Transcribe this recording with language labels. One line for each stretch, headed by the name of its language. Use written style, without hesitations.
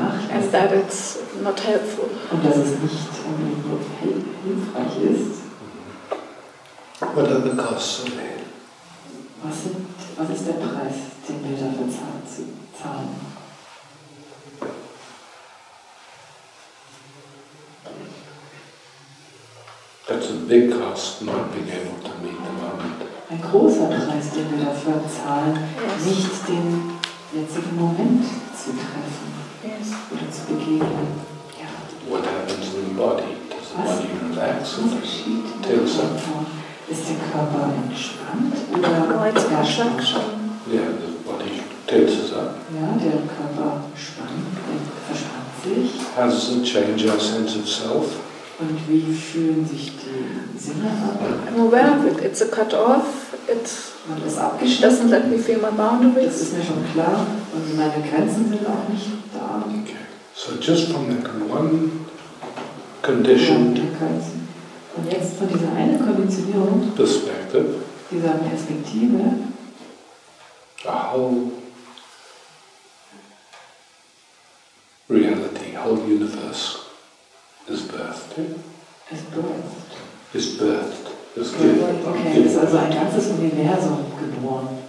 English: And that it's not helpful.
German: Und dass es nicht hilfreich ist.
English: What are the costs of it?
German: Was ist der Preis, den wir dafür zahlen?
English: That's a big cost, not being able to meet the moment.
German: Ein großer Preis, den wir dafür zahlen, nicht den jetzigen Moment zu treffen. Oder zu begegnen. Ja.
English: What happens in the body? Does the body relax?
German: Ist der Körper entspannt oder erschöpft schon?
English: Yeah, the body tenses up.
German: Ja, der Körper verspannt sich.
English: How does it change our sense of self?
German: Und wie fühlen sich die Sinne ab?
English: I'm aware of it. It's a cut off.
German: Man ist abgeschnitten.
English: Doesn't let me feel my boundaries.
German: Das ist mir schon klar. Und meine Grenzen sind auch nicht da.
English: Okay. So just from that one condition.
German: Und jetzt von dieser einen Konditionierung.
English: Perspective.
German: Dieser Perspektive.
English: A whole reality, whole universe is birthed. Is birthed.
German: Das okay, es ist also ein ganzes Universum geboren.